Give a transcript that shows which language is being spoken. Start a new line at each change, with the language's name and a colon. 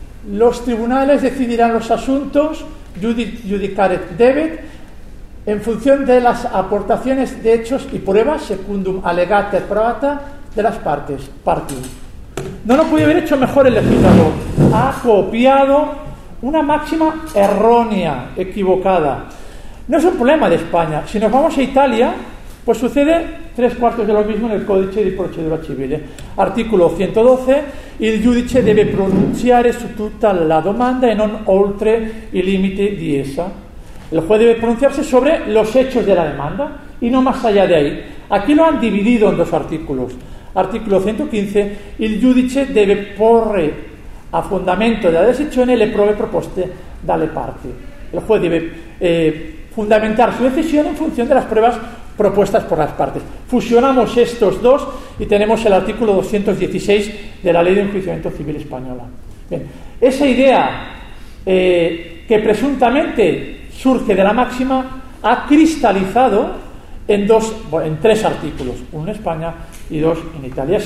Spanish: Los tribunales decidirán los asuntos,
Latin: judicare debet,
Spanish: en función de las aportaciones de hechos y pruebas,
Latin: secundum alegata probata,
Spanish: de las partes,
Latin: partium.
Spanish: No lo puede haber hecho mejor el legislador. Ha copiado una máxima errónea, equivocada. No es un problema de España. Si nos vamos a Italia, pues sucede tres cuartos de lo mismo en el Codice di Procedura Civile. Artículo 112.
Italian: Il giudice deve pronunciare su tutta la domanda e non oltre il limite di essa.
Spanish: El juez debe pronunciarse sobre los hechos de la demanda y no más allá de ahí. Aquí lo han dividido en dos artículos. Artículo 115.
Italian: Il giudice deve porre a fondamento de la decisione le prove proposte dalle parti.
Spanish: El juez debe fundamentar su decisión en función de las pruebas propuestas por las partes. Fusionamos estos dos y tenemos el artículo 216 de la Ley de Enjuiciamiento Civil Española. Bien, esa idea que presuntamente surge de la máxima ha cristalizado en tres artículos, uno en España y dos en Italia.